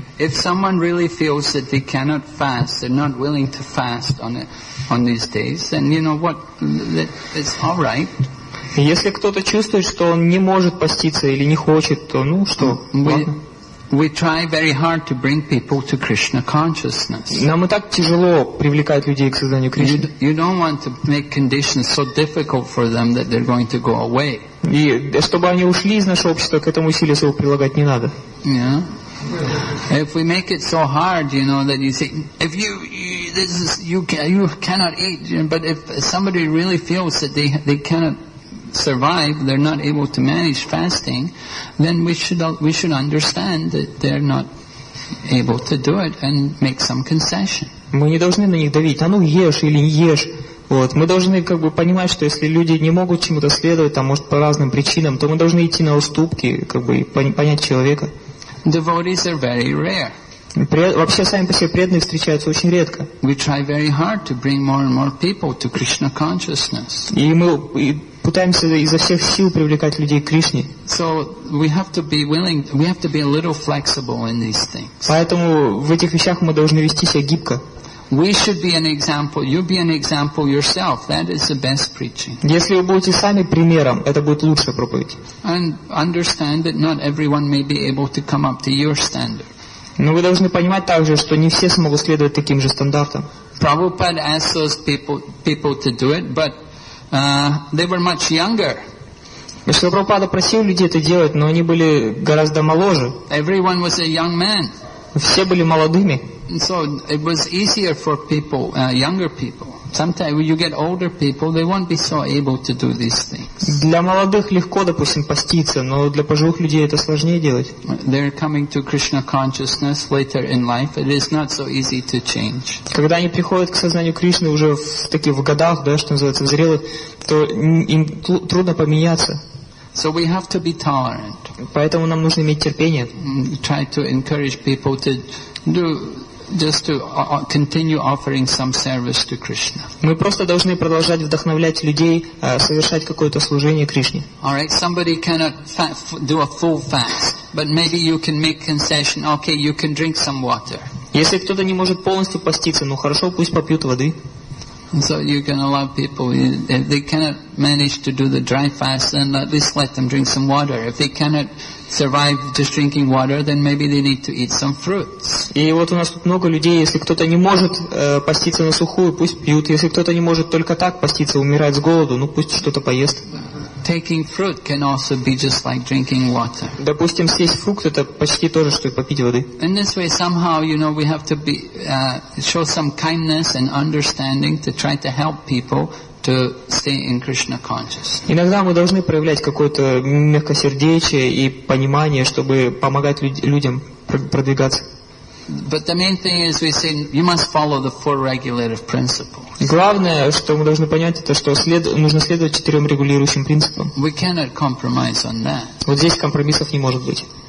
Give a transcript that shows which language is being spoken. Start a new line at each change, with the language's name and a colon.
English: If someone really feels that they cannot fast, they're not willing to fast on these days, then you know what, it's all right.
Russian: Если кто-то чувствует, что он не может поститься или не хочет, то ну что,
English: We try very hard to bring people to Krishna consciousness.
Russian: Нам и так тяжело привлекать людей к сознанию Кришны.
English: You don't want to make conditions so difficult for them that they're going to go away.
Russian: И чтобы они ушли из нашего общества, к этому усилия своего прилагать не надо.
English: Yeah. If we make it so hard, you know, that you say, if you, this is, you cannot eat, but if somebody really feels that they cannot survive, they're not able to manage fasting, then we should understand that they're not able to do it and make some concession.
Russian: Мы не должны на них давить, а ну ешь или не ешь. Вот. Мы должны как бы понимать, что если люди не могут чему-то следовать, там, может, по разным причинам, то мы должны идти на уступки, как бы, и понять человека.
English: Devotees are very rare.
Russian: Вообще сами по себе преданные встречаются очень редко.
English: We try very hard to bring more and more people to Krishna consciousness.
Russian: И мы пытаемся изо всех сил привлекать людей к Кришне.
English: So we have to be willing, we have to be a little flexible in these things.
Russian: Поэтому в этих вещах мы должны вести себя гибко.
English: We should be an example. You be an example yourself. That is the best preaching.
Russian: Если вы будете сами примером, это будет лучшая проповедь.
English: And understand that not everyone may be able to come up to your standard.
Russian: Но вы должны понимать также, что не все смогут следовать таким же стандартам.
English: Prabhupada asked those people to do it, but they were much younger.
Russian: Если Прабхупада просил людей это делать, но они были гораздо моложе.
English: Everyone was a young man.
Russian: Все были молодыми.
English: So it was easier for people, younger people. Sometimes when you get older people, they won't be so able to do these things.
Russian: Для молодых легко, допустим, поститься, но для пожилых людей это сложнее делать.
English: They're coming to Krishna consciousness later in life. It is not so easy to change.
Russian: Когда они приходят к сознанию Кришны уже в таких годах, да, что называется, зрелых, то им трудно поменяться.
English: So we have to be tolerant.
Russian: Поэтому нам нужно иметь терпение.
English: Try to encourage people to do just to continue offering some service to Krishna.
Russian: Мы просто должны продолжать вдохновлять людей совершать какое-то служение Кришне.
English: All right, somebody cannot do a full fast, but maybe you can make concession. Okay, you can drink some water.
Russian: Если кто-то не может полностью поститься, ну хорошо, пусть попьют воды.
English: And so you can allow people, if they cannot manage to do the dry fast, then at least let them drink some water. If they cannot survive just drinking water, then maybe they need to eat some fruits.
Russian: И вот у нас тут много людей, если кто-то не может поститься на сухую, пусть пьют. Если кто-то не может только так поститься, умирать с голоду, ну пусть что-то поест.
English: Taking fruit can also be just like drinking water.
Russian: Допустим, съесть фрукт это почти то же, что и попить воды.
English: In this way, somehow, you know, we have to be show some kindness and understanding to try to help people to stay in Krishna consciousness.
Russian: Иногда мы должны проявлять какое-то мягкосердечие и понимание, чтобы помогать людям продвигаться.
English: But the main thing is, we say you must follow the four regulative principles.
Russian: Главное, что мы должны понять, это что нужно следовать четырем регулирующим принципам.
English: We cannot compromise on that.
Russian: Вот здесь компромиссов не может быть.